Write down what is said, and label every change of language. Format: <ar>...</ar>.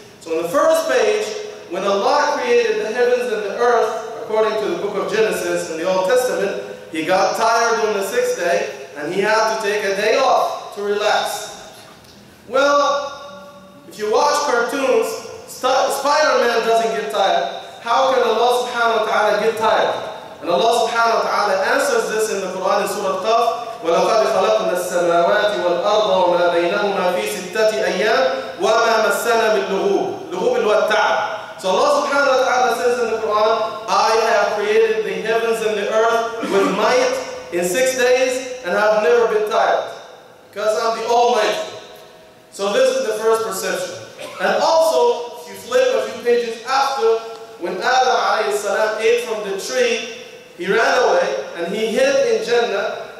<en>So on the first page, when Allah created the heavens and the earth, according to the book of Genesis in the Old Testament, He got tired on the sixth day, and He had to take a day off to relax. Well, if you watch cartoons, Spider-Man doesn't get tired. How can Allah subhanahu wa ta'ala get tired? And Allah subhanahu wa ta'ala answers this in the Quran in Surah Taf,</en> <ar>وَلَقَدْ خَلَقْنَا السَّمَاوَاتِ وَالْأَرْضَ وَمَا بَيْنَهُمَا فِي سِتَّةِ أَيَّامٍ وَمَا مَسَّنَا مِنْ لُغُوبٍ لُغُوبٍ وَالتَّعَبِ.</ar> <en>So Allah subhanahu wa ta'ala says in the Quran, I have created the heavens and the earth with might in 6 days and have never been tired. Because I'm the Almighty. So this is the first perception. And also, if you flip a few pages after, when Adam alayhi salam ate from the tree, he ran away and he hid in Jannah.</en>